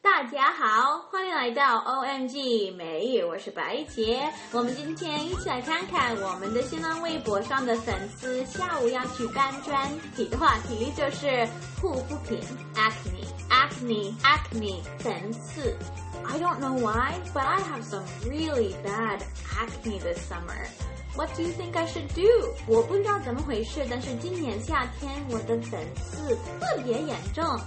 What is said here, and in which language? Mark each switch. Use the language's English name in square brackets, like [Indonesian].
[Chinese] 家好，欢迎来到 OMG 美语，我是白杰。我们今天一起来看看我们的新浪微博上的粉丝下午要去搬砖，体的话题就是护肤品 acne 粉刺。 [English] I don't know why, but I have some really bad acne this summer. What do you think I should do? [Chinese] 我不知道怎么回事，但是今年夏天我的粉刺特别严重。